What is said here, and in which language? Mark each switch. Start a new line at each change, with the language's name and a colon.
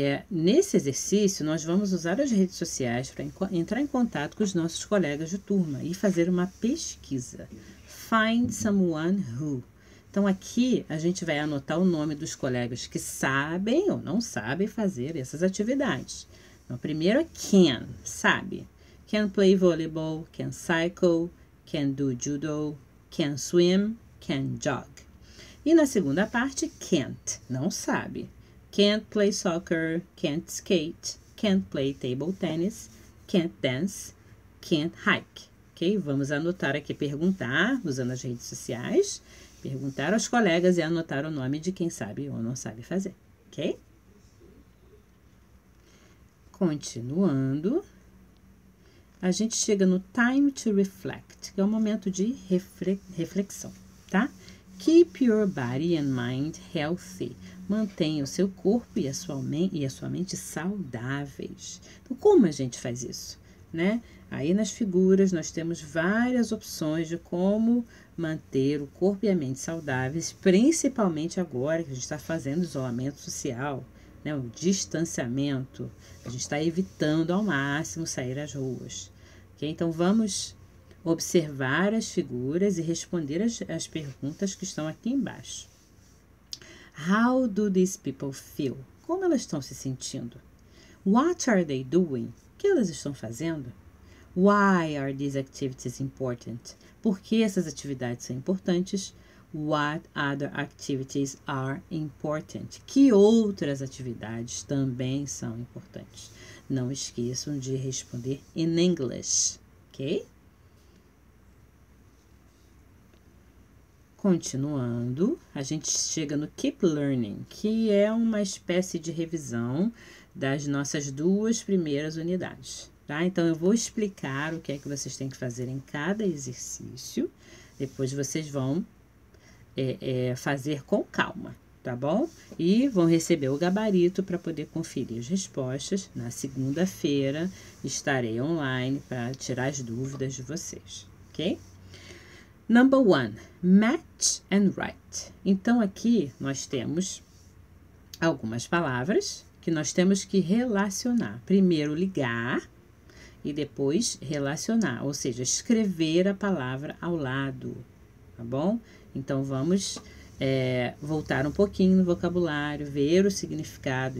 Portuguese: Nesse exercício, nós vamos usar as redes sociais para entrar em contato com os nossos colegas de turma e fazer uma pesquisa.
English: Find someone who.
Portuguese: Então, aqui, a gente vai anotar o nome dos colegas que sabem ou não sabem fazer essas atividades. Então, primeiro é can, sabe.
English: Can play volleyball, can cycle, can do judo, can swim, can jog.
Portuguese: E na segunda parte, can't, não sabe.
English: Can't play soccer, can't skate, can't play table tennis, can't dance, can't hike.
Portuguese: Ok? Vamos anotar aqui, perguntar, usando as redes sociais, perguntar aos colegas e anotar o nome de quem sabe ou não sabe fazer. Ok? Continuando. A gente chega no time to reflect, que é o momento de reflexão, tá?
English: Keep your body and mind healthy.
Portuguese: Mantenha o seu corpo e a sua mente saudáveis. Então, como a gente faz isso? Né? Aí nas figuras nós temos várias opções de como manter o corpo e a mente saudáveis, principalmente agora que a gente está fazendo isolamento social, né? O distanciamento. A gente está evitando ao máximo sair às ruas. Okay? Então, vamos observar as figuras e responder as perguntas que estão aqui embaixo.
English: How do these people feel?
Portuguese: Como elas estão se sentindo?
English: What are they doing?
Portuguese: O que elas estão fazendo?
English: Why are these activities important?
Portuguese: Por que essas atividades são importantes?
English: What other activities are important?
Portuguese: Que outras atividades também são importantes? Não esqueçam de responder in English, ok? Continuando, a gente chega no Keep Learning, que é uma espécie de revisão das nossas duas primeiras unidades, tá? Então, eu vou explicar o que é que vocês têm que fazer em cada exercício, depois vocês vão fazer com calma, tá bom? E vão receber o gabarito para poder conferir as respostas. Na segunda-feira, estarei online para tirar as dúvidas de vocês, ok?
English: Number one, match and write.
Portuguese: Então, aqui nós temos algumas palavras que nós temos que relacionar. Primeiro, ligar e depois relacionar, ou seja, escrever a palavra ao lado, tá bom? Então, vamos voltar um pouquinho no vocabulário, ver o significado.